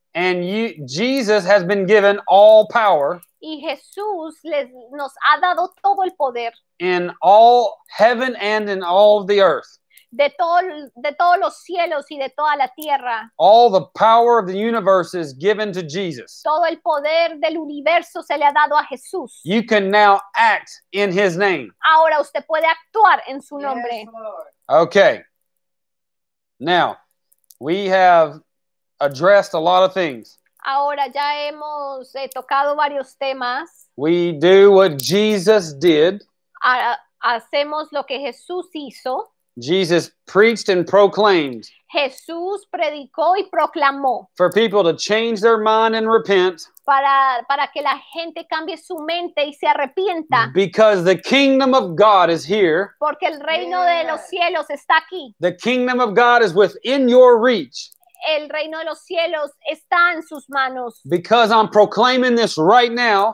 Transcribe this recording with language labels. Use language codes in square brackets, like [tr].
[en] And Jesus has been given all power. [es] Y Jesús nos ha dado todo el poder. [en] In all heaven and in all the earth. [es] De todos los cielos y de toda la tierra. [en] All the power of the universe is given to Jesus. [es] Todo el poder del universo se le ha dado a Jesús. [en] You can now act in his name. [es] Ahora usted puede actuar en su nombre. [en] Yes, Lord. Okay. Now, we have addressed a lot of things. [es] Ahora ya hemos tocado varios temas. [en] We do what Jesus did. [es] Hacemos lo que Jesús hizo. [en] Jesus preached and proclaimed. [es] Jesús predicó y proclamó. [en] For people to change their mind and repent. [es] Para que la gente cambie su mente y se arrepienta. [en] Because the kingdom of God is here. [es] Porque el reino de los cielos está aquí. [en] The kingdom of God is within your reach. [es] El reino de los cielos está en sus manos. [en] Because I'm proclaiming this right now.